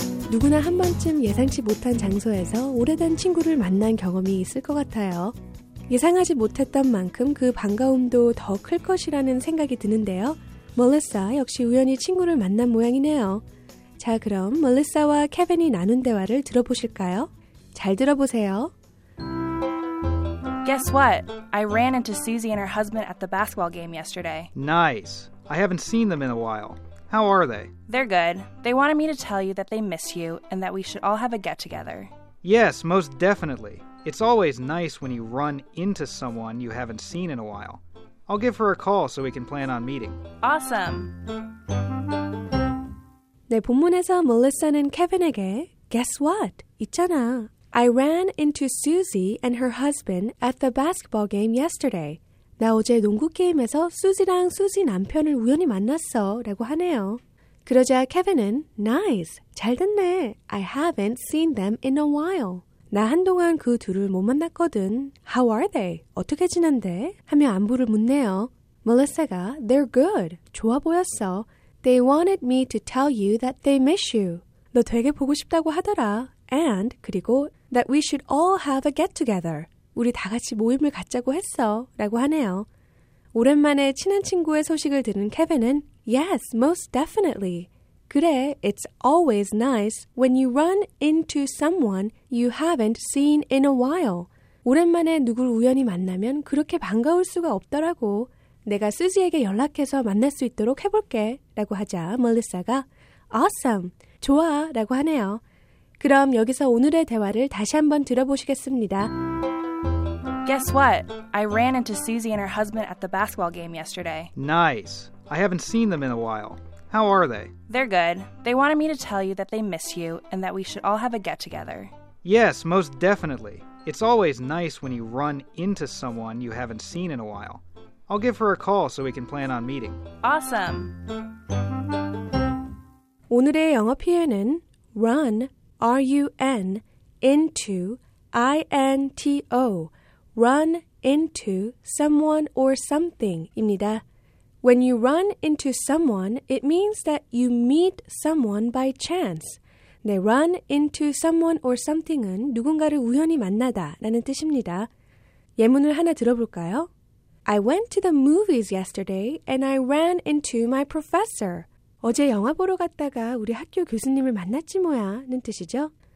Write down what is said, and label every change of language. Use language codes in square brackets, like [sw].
[ko] 누구나 한 번쯤 예상치 못한 장소에서 오래된 친구를 만난 경험이 있을 것 같아요. 예상하지 못했던 만큼 그 반가움도 더 클 것이라는 생각이 드는데요. 멜리사 역시 우연히 친구를 만난 모양이네요. 자, 그럼 멜리사와 케빈이 나눈 대화를 들어보실까요? 잘 들어보세요. [en] Guess what? I ran into Susie and her husband at the basketball game yesterday. Nice. I haven't seen them in a while. How are they? They're good. They wanted me to tell you that they miss you and that we should all have a get-together. Yes, most definitely. It's always nice when you run into someone you haven't seen in a while. I'll give her a call so we can plan on meeting. Awesome. [ko] 네, 본문에서 멜리사는 케빈에게 [en] Guess what? [ko] 있잖아. [en] I ran into Susie and her husband at the basketball game yesterday. [ko] 나 어제 농구 게임에서 수지랑 수지 남편을 우연히 만났어 라고 하네요. [en] 그러자 케빈은 Nice, [ko] 잘 됐네. [en] I haven't seen them in a while. [ko] 나 한동안 그 둘을 못 만났거든. [en] How are they? [ko] 어떻게 지낸대? 하며 안부를 묻네요. 멜리사가 [en] They're good. [ko] 좋아 보였어. [en] They wanted me to tell you that they miss you. [ko] 너 되게 보고 싶다고 하더라. [en] And, [ko] 그리고 [en] That we should all have a get-together. [ko] 우리 다 같이 모임을 갖자고 했어. 라고 하네요. 오랜만에 친한 친구의 소식을 들은 케빈은 [en] Yes, most definitely. [ko] 그래, [en] it's always nice when you run into someone you haven't seen in a while. [ko] 오랜만에 누굴 우연히 만나면 그렇게 반가울 수가 없더라고. 내가 수지에게 연락해서 만날 수 있도록 해볼게. 라고 하자 멜리사가 [en] Awesome! [ko] 좋아! 라고 하네요. 그럼 여기서 오늘의 대화를 다시 한번 들어보시겠습니다. [en] Guess what? I ran into Susie and her husband at the basketball game yesterday. Nice. I haven't seen them in a while. How are they? They're good. They wanted me to tell you that they miss you and that we should all have a get-together. Yes, most definitely. It's always nice when you run into someone you haven't seen in a while. I'll give her a call so we can plan on meeting. Awesome. [ko] 오늘의 영어 표현은 run, R-U-N, into, I-N-T-O, run into someone or something입니다. [en] When you run into someone, it means that you meet someone by chance. [ko] 네, run into someone or something은 누군가를 우연히 만나다 라는 뜻입니다. 예문을 하나 들어볼까요? [en] I went to the movies yesterday and I ran into my professor. [ko] 어제 영화 보러 갔다가 우리 학교 교수님을 만났지 뭐야 는 뜻이죠.